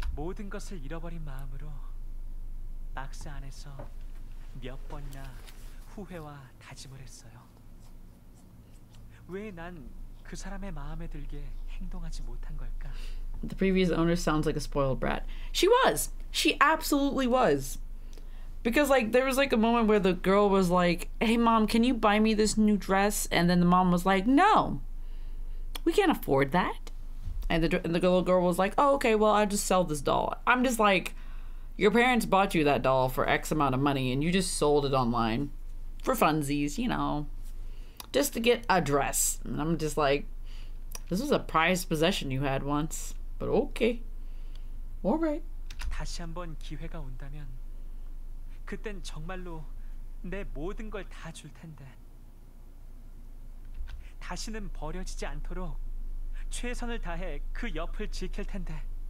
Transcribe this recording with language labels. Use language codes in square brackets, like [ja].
[ko] 모든 것을 잃어버린 마음으로 박스 안에서 몇 번이나 후회와 다짐을 했어요. 왜 난 그 사람의 마음에 들게 행동하지 못한 걸까? [en] The previous owner sounds like a spoiled brat. She was! She absolutely was! Because, like, there was, like, a moment where the girl was like, hey, mom, can you buy me this new dress? And then the mom was like, no! We can't afford that! And the little girl was like, oh, okay, well, I'll just sell this doll. I'm just like, your parents bought you that doll for X amount of money, and you just sold it online. For funsies, you know. Just to get a dress. And I'm just like, this was a prized possession you had once. But okay. Alright. [ko] 다시 한번 기회가 온다면 그땐 정말로 내 모든 걸 다 줄 텐데. 다시는 버려지지 않도록 최선을 다해 그 옆을 지킬 텐데.